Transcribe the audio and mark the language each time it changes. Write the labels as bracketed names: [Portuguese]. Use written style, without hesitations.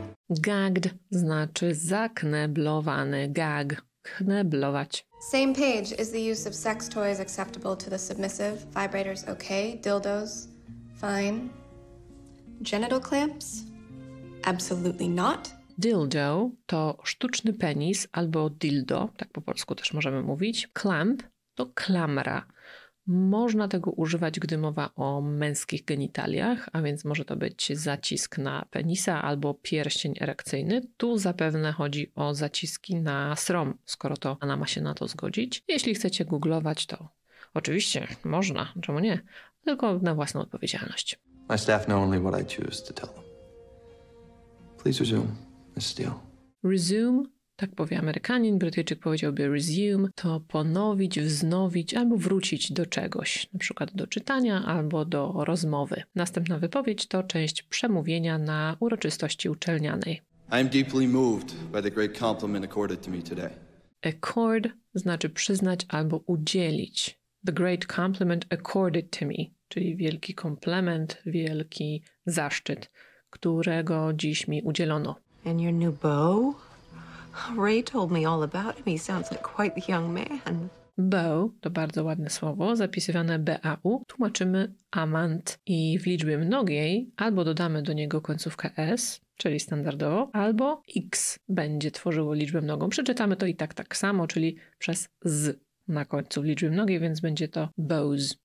[Polish] Gagged znaczy zakneblowany, gag, kneblować. [English] Same page, is the use of sex toys acceptable to the submissive? Vibrators okay, dildos fine. Genital clamps? Absolutely not. [Polish] Dildo to sztuczny penis albo dildo, tak po polsku też możemy mówić. Clamp to klamra. Można tego używać, gdy mowa o męskich genitaliach, a więc może to być zacisk na penisa albo pierścień erekcyjny. Tu zapewne chodzi o zaciski na srom, skoro to ona ma się na to zgodzić. Jeśli chcecie googlować, to oczywiście można, czemu nie? Tylko na własną odpowiedzialność. [English] My staff know only what I choose to tell them. Please resume, Ms. Steele. Resume? [Polish] Tak powie Amerykanin, Brytyjczyk powiedziałby resume, to ponowić, wznowić albo wrócić do czegoś, na przykład do czytania albo do rozmowy. Następna wypowiedź to część przemówienia na uroczystości uczelnianej. [English] I am deeply moved by the great compliment accorded to me today. [Polish] Accord znaczy przyznać albo udzielić. [English] The great compliment accorded to me, [Polish] czyli wielki komplement, wielki zaszczyt, którego dziś mi udzielono. [English] And your new bow? Ray told me all about him. He sounds like quite the young man. [Polish] Beau to bardzo ładne słowo, zapisywane B-A-U. Tłumaczymy amant i w liczbie mnogiej albo dodamy do niego końcówkę S, czyli standardowo, albo X będzie tworzyło liczbę mnogą. Przeczytamy to i tak tak samo, czyli przez Z na końcu liczby mnogiej, więc będzie to Beau's.